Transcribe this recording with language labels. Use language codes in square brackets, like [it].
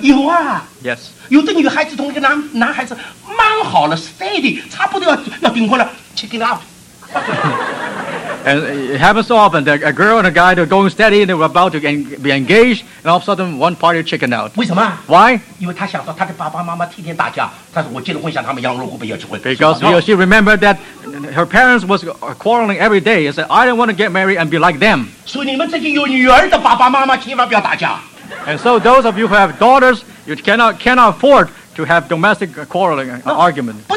[zh] 有啊。 [en] Yes. [zh] 有的女孩子同一个男孩子蛮好了， steady， 差不多要订婚了， [en] check it out. And it happens so often that a girl and a guy are going steady and they were about to be engaged, and all of a sudden one party chickened out. [zh] 为什么？ [en] Why? [zh] 因为他想到他的爸爸妈妈天天打架，他说我结了婚想他们养老，我不要结婚。 [en] Because he or she remembered that her parents was quarreling every day and said, I don't want to get married and be like them. [zh] 所以你们这些有女儿的爸爸妈妈千万不要打架。 [en] And so those of you who have daughters, you cannot afford to have domestic quarreling argument.